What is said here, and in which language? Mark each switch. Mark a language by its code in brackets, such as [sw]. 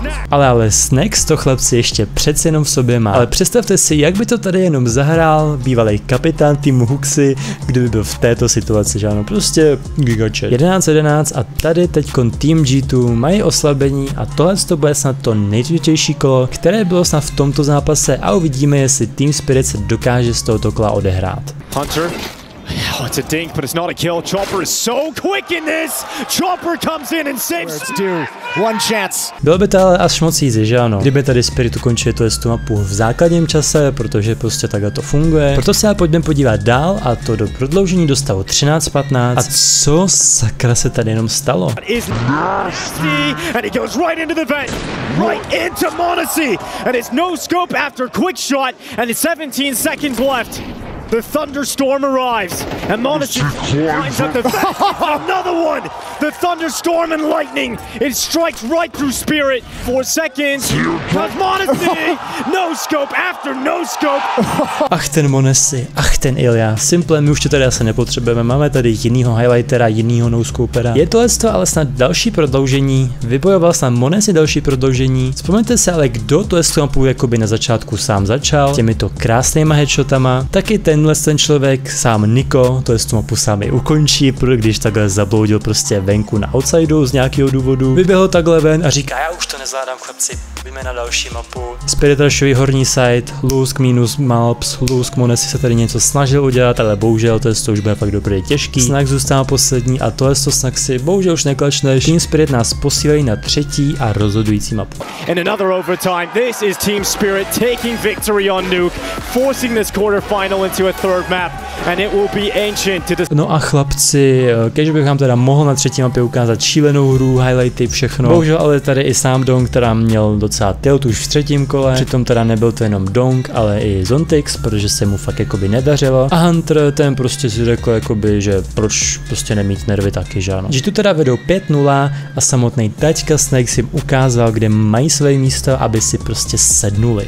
[cs] Ale Snacks to chlapci ještě přece jenom v sobě má. Ale představte si, jak by to tady jenom zahrál bývalý kapitán týmu Huxy, kdyby byl v této situaci, že ano, prostě gigače. 11-11 a tady teďkon tým G2 mají oslabení a tohle to bude snad to nejdůležitější kolo, které bylo snad v tomto zápase a uvidíme, jestli Team Spirit se dokáže z tohoto kola odehrát. [en] Hunter. Oh, it's a dink, but it's not a kill. Chopper is so quick in this. Chopper comes in and saves. One chance. [cs] Bylo by to ale až moc easy, že ano? Kdyby tady Spirit ukončil tu mapu v základním čase, protože prostě takhle to funguje. Proto se pojďme podívat dál a to do prodloužení do stavu 13-15. A co sakra se tady jenom stalo? [en] And he goes right into the vent. Right into Monacy. And it's no scope after quick shot. And it's 17 seconds left. The thunderstorm arrives, and Monacy finds out the another one. The thunderstorm and lightning, it strikes right through Spirit. 4 seconds, because Monacy, no scope after no scope. [cs] Ach ten Monacy, ach ten Ilja. Simple, my už to tady asi nepotřebujeme. Máme tady jinýho highlightera, jinýho noscopera. Je tohle to ale snad další prodloužení. Vybojoval snad Monacy další prodloužení. Vzpomeňte se ale, kdo tohle z toho jakoby na začátku sám začal. Těmito krásnýma headshotama. Taky tenhle ten člověk, sám Niko, to je z toho mapu sám i ukončí, když takhle zabloudil prostě venku na outsideu z nějakého důvodu, vyběhl takhle ven a říká, já už to nezvládám chlapci, pojďme na další mapu. Spirit rushový horní side, Lusk minus Malps, Lusk Monacy se tady něco snažil udělat, ale bohužel to je z toho už bude fakt dobrý těžký. Snack zůstává poslední a to je z toho Snack si bohužel už neklačneš, Team Spirit nás posílají na třetí a rozhodující mapu. [en] In another overtime, this is Team Spirit taking victory on Nuke, forcing this quarterfinal into a third map and it will be ancient to the... [cs] No a chlapci, kež bych vám teda mohl na třetí mapě ukázat šílenou hru, highlighty, všechno. Bohužel ale tady i sám Dong, která měl docela tilt už v třetím kole. Přitom teda nebyl to jenom Dong, ale i Zontix, protože se mu fakt jakoby nedařilo. A Hunter ten prostě si řekl jakoby, že proč prostě nemít nervy taky, že ano. Že tu teda vedou 5-0 a samotný taťka Snake si ukázal, kde mají své místo, aby si prostě sednuli.